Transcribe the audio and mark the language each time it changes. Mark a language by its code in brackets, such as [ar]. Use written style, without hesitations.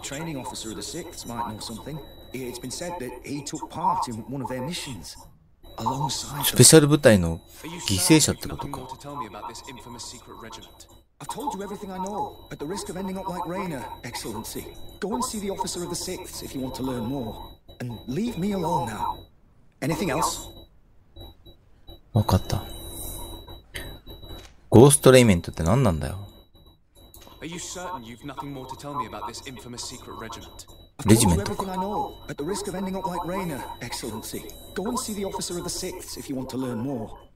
[en] The training officer of the 6th might know something. It's been said that he took part in one of their missions, alongside. Special [ja] 部隊の犠牲者ってことか。 [en] To tell me about this infamous secret regiment. I've told you everything I know, at the risk of ending up like Rainer, Excellency. Go and see the officer of the 6th if you want to learn more, and leave me alone now. Anything else? [ja] わかった。ゴーストレイメントって何なんだよ。 [en] Are you certain you've nothing more to tell me about this infamous secret regiment? I've told you everything I know, at the risk of ending up like Reyna, Excellency. Go and see the officer of the 6th if you want to learn more.